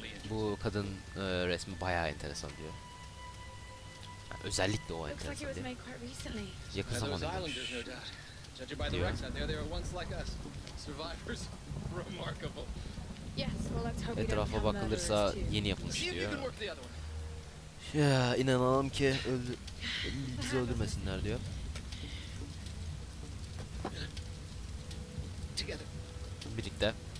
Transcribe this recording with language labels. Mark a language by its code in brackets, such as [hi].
[tr] Bu kadın resmi bayağı enteresan diyor. Yani özellikle o enteresan diyor. Yakın zamanda [en] judging by the wrecks out there, they were once like us. Survivors. Remarkable. Yes, well, let's hope [tr] etrafa bakılırsa yeni yapılmış diyor. Ya inanalım ki bizi öldürmesinler diyor. Birlikte.